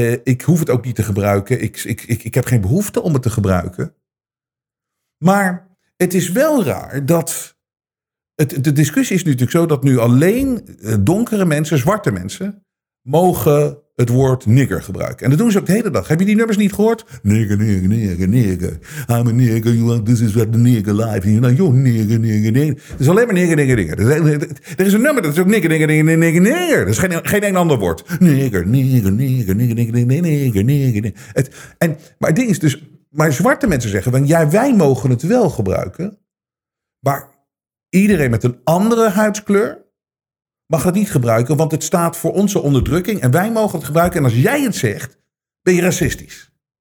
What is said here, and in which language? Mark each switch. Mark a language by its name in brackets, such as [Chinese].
[Dutch] Ik hoef het ook niet te gebruiken. Ik heb geen behoefte om het te gebruiken. Maar het is wel raar dat... De discussie is nu natuurlijk zo dat nu alleen donkere mensen, zwarte mensen, mogen het woord nigger gebruiken. En dat doen ze ook de hele dag. Heb je die nummers niet gehoord? [English] Nigger, nigger, nigger, nigger. I'm a nigger, you want this is what the nigger life is. [Dutch] Nou, joh, nigger, nigger, nigger. Het is alleen maar nigger, nigger, nigger. Er is een nummer, dat is ook nigger, nigger, nigger, nigger, nigger. Dat is geen ander woord. Nigger, nigger, nigger, nigger, nigger, nigger, nigger, nigger, nigger. Maar het ding is dus, maar zwarte mensen zeggen, want ja, wij mogen het wel gebruiken, maar iedereen met een andere huidskleur mag het niet gebruiken, want het staat voor onze onderdrukking en wij mogen het gebruiken. En als jij het zegt, ben je racistisch.